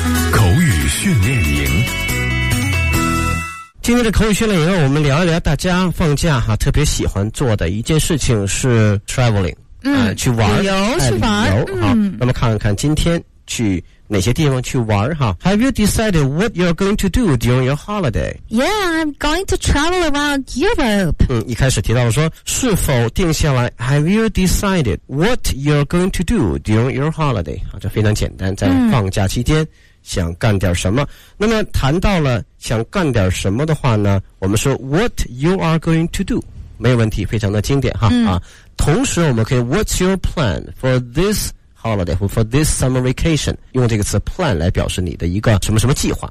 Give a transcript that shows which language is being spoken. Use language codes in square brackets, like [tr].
[zh] 口语训练营，今天的口语训练营，我们聊一聊大家放假哈、特别喜欢做的一件事情是 traveling。去玩，旅游，去玩，旅游哈。那么看看今天去哪些地方去玩哈。 [en] Have you decided what you're going to do during your holiday? Yeah, I'm going to travel around Europe. [zh] 一开始提到说是否定下来。 [en] Have you decided what you're going to do during your holiday? [zh] 啊，这非常简单，在放假期间想干点什么。那么谈到了想干点什么的话呢，我们说 [en] what you are going to do， [zh] 没有问题，非常的经典哈。同时我们可以 [en] What's your plan for this holiday or for this summer vacation， [zh] 用这个词 plan 来表示你的一个什么什么计划。